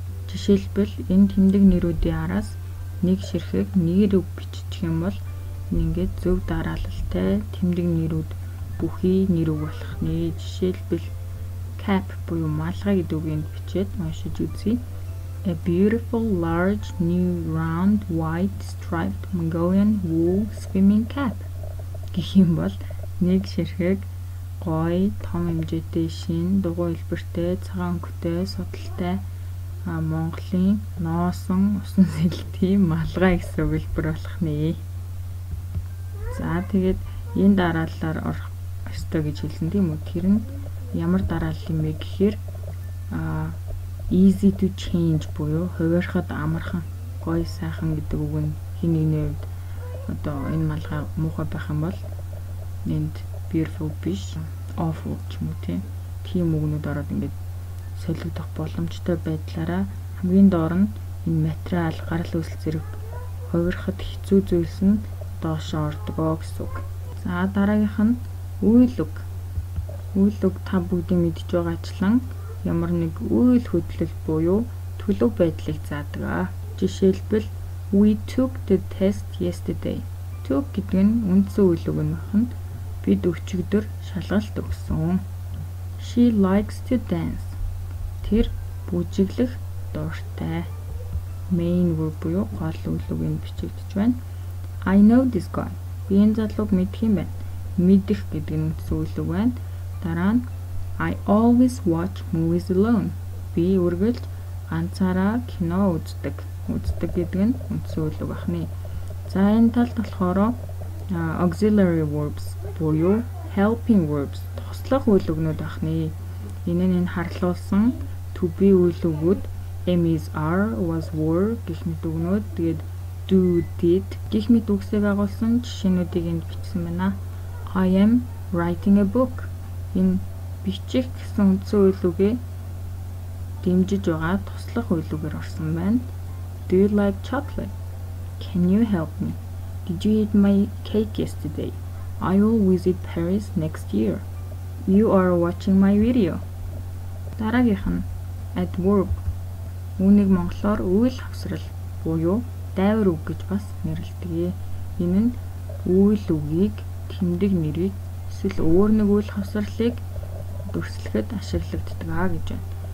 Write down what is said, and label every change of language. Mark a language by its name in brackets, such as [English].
[Mongolian] Жишээлбэл энэ тэмдэг нэрүүдийн араас нэг ширхэг нэр үг бичих юм бол ингээд зөв дарааллалтай тэмдэг нэрүүд бүхий нэр үг болох нэ. Жишээлбэл cap буюу малгай гэдэг үгийг бичээд уншиж үзье. [English] A beautiful, large, new, round, white, striped Mongolian wool swimming cap. [Mongolian] Гэх юм бол нэг ширхэг гоё, том хэмжээтэй шинэ, дугуй хэлбэртэй, цагаан өнгөтэй, судалтай Монголын ноосон усан сэлэлтийн малгай гэсэн хэлбэр болох нэ. За тэгээд энэ дарааллаар орох ёстой гэж хэлсэн тийм үү? Тэр нь ямар дарааллал юм бэ гэхээр [English] easy to change [Mongolian] буюу хувирахад амархан, гоё сайхан гэдэг үг нь хин нэгний үед одоо энэ малгай муухай байх юм бол энд beautiful биш, awful ч юм уу тийм үгнүүд ороод ингээд солигдох боломжтой байдлаараа хамгийн доор нь энэ материал, гарал үүсэл зэрэг хувирахад хэцүү зүйлс нь доошоо ордог гэсэн үг. За дараагийнх нь үйл үг. Үйл үг та бүгдийн мэдж байгаачлан ямар нэг үйл хөдлөл буюу төлөв байдлыг заадаг. Жишээлбэл [English] we took the test yesterday. [Mongolian] Took гэдэг нь үндсэн үйл үг нөхөн бид өчигдөр шалгалт өгсөн. [English] She likes to dance. [Mongolian] Тэр бүжиглэх дуртай. Main verb буюу гол үйл үг нь бичигдэж байна. [English] I know this guy. [Mongolian] Би энэ залууг мэдэх юм байна. Мэдэх гэдэг нь үндсэн үйл үг байна. Дараа нь [English] I always watch movies alone. [Mongolian] Би үргэлж ганцаараа кино үздэг. Үздэг гэдэг нь үндсэн үйл үг ахны. За энэ талд болохоор [English] auxiliary verbs [Mongolian] буюу [English] helping verbs [Mongolian] тослох үйл үгнүүд ахны. Энэ нь энэ харлуулсан to be үйл үгүүд am, is, are, was, were гэх мэт үгнүүд тэгээд do, did гэх мэт үгсээ байгуулсан жишээнүүдийг энд бичсэн байна. [English] I am writing a book. [Mongolian] Энэ бичих гэсэн үндсэн үйл үгэ дэмжиж байгаа туслах үйл үгээр орсон байна. [English] Do you like chocolate? Can you help me? Did you eat my cake yesterday? I will visit Paris next year. You are watching my video. [Mongolian] Дараагийнх нь adverb. Үүнийг монголоор үйл хавсрал буюу дайвар үг гэж бас нэрлэдэг. Энэ нь үйл үгийг тэмдэг нэрийг эсвэл өөр нэг үйл хавсралыг өрсөлдөхөд ашиглагддаг а гэж байна.